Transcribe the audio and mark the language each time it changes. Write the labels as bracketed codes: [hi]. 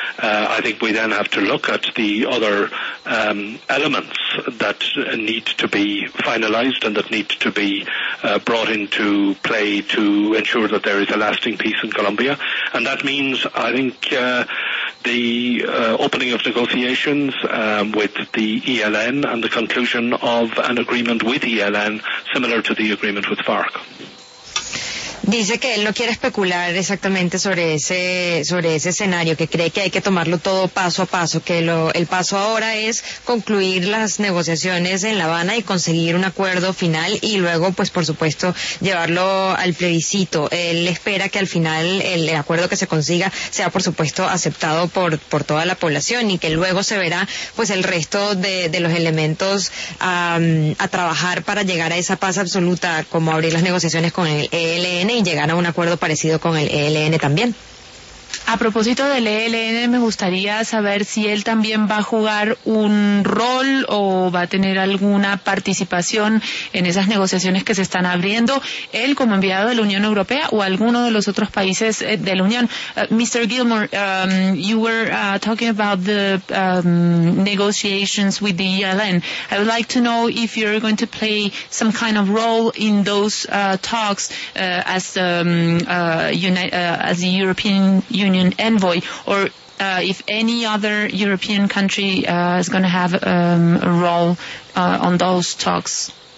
[en] I think we then have to look at the other elements that need to be finalised and that need to be brought into play to ensure that there is a lasting peace in Colombia. And that means, I think, the opening of negotiations with the ELN and the conclusion of an agreement with ELN similar to the agreement with FARC. [es] Dice que él no quiere especular exactamente sobre ese escenario, que cree que hay que tomarlo todo paso a paso, que el paso ahora es concluir las negociaciones en La Habana y conseguir un acuerdo final y luego, pues por supuesto, llevarlo al plebiscito. Él espera que al final el acuerdo que se consiga sea, por supuesto, aceptado por toda la población y que luego se verá pues el resto de los elementos a trabajar para llegar a esa paz absoluta, como abrir las negociaciones con el ELN y llegar a un acuerdo parecido con el ELN también. A propósito del ELN, me gustaría saber si él también va a jugar un rol o va a tener alguna participación en esas negociaciones que se están abriendo, él como enviado de la Unión Europea o alguno de los otros países de la Unión. [en] Mr. Gilmore, you were talking about the negotiations with the ELN. I would like to know if you're going to play some kind of role in those talks as the European Union envoy, or if any other European country is going to have a role on those talks?